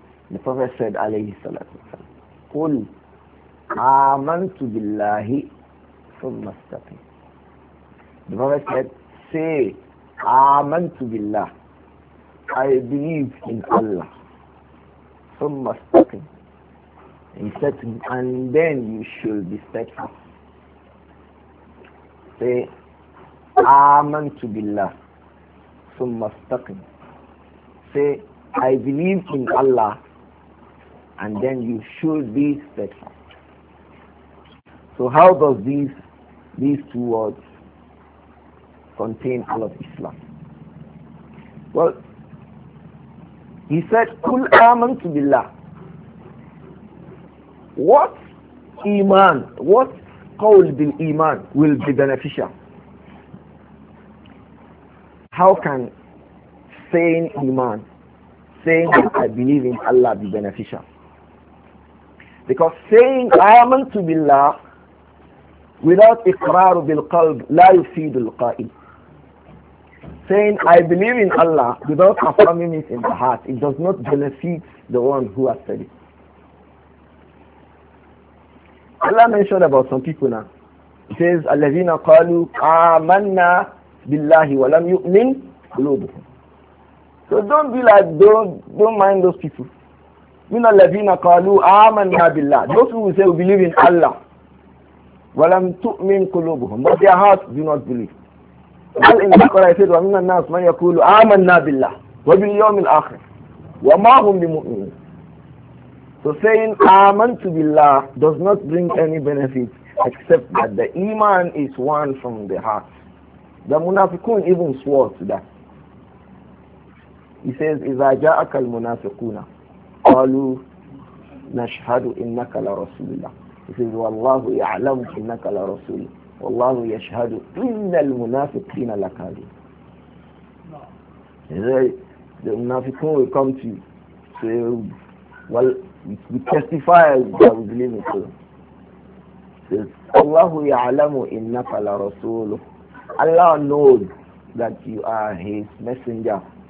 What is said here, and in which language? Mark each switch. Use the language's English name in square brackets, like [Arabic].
[English] The Prophet said, [Arabic] alayhi salatu. Qul amantu billahi thumma istaqim. [English] The Prophet said, say, [Arabic] amantu billah. [English] I believe in Allah. [Arabic] Thumma istaqim. [English] He said to him, and then you should be steadfast. Say, [Arabic] آمنت بالله ثم استقم. [English] Say, I believe in Allah, and then you should be steadfast. So how does these two words contain all of Islam? Well, he said, [Arabic] قل آمنت بالله. [English] What iman, what [Arabic] قول بالإيمان [English] will be beneficial? How can saying iman, saying I believe in Allah, be beneficial? Because saying [Arabic] amantu billah [English] without [Arabic] اقرار بالقلب لا يفيد القائل. [English] Saying I believe in Allah without affirming it in the heart, it does not benefit the one who has said it. Allah mentioned about some people now. He says, [Arabic] الَّذِينَ قَالُوا آمَنَّا بِاللَّهِ وَلَمْ يُؤْمِنْ قُلُوبُهُمْ. [English] So don't be like, don't mind those people. [Arabic] مِنَ الَّذِينَ قَالُوا آمَنَّا بِاللَّهِ. [English] Those who will say, we believe in Allah. [Arabic] وَلَمْ تُؤْمِنْ قُلُوبُهُمْ. [English] But their hearts do not believe. Well, in the Quran, he says, [Arabic] وَمِنَ النَّاسِ مَنْ يَقُولُ آمَنَّا بِاللَّهِ وَبِالْيَوْمِ الْآخِرِ وَمَا هُمْ بِمُؤْمِنِينَ. [English] So saying [Arabic] amantu billah [English] does not bring any benefit except that the iman is one from the heart. The munafiqun even swore to that. He says, [Arabic] إِذَا جَاءَكَ الْمُنَافِقُونَ قَالُوا نَشْهَدُ إِنَّكَ لَرَسُولُ اللَّهِ. He says, وَاللَّهُ يَعْلَمُ إِنَّكَ لَرَسُولُ وَاللَّهُ يَشْهَدُ إِنَّ الْمُنَافِقِينَ لَكَاذِبُونَ. [English] The munafiqun will come to you, say, well, we testify that we believe in Allah. says, [Arabic] Allahu ya'lamu innaka la rasuluh. [English] Allah knows that you are his messenger.